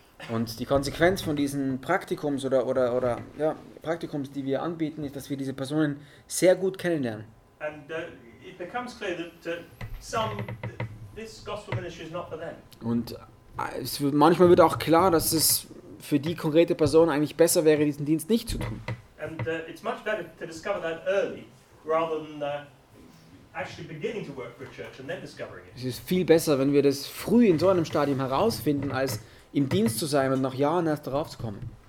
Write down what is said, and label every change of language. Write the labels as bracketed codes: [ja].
[de] Und die Konsequenz von diesen Praktikums oder Praktikums, die wir anbieten, ist, dass wir diese Personen sehr gut kennenlernen. [en] And it becomes clear that this gospel ministry is not for them. [de] Und es wird, manchmal wird auch klar, dass es für die konkrete Person eigentlich besser wäre, diesen Dienst nicht zu tun. [en] And it's much better to discover that early rather than actually beginning to work for a church and then discovering it. [de] Es ist viel besser, wenn wir das früh in so einem Stadium herausfinden, als im Dienst zu sein und nach Jahren erst darauf zu kommen.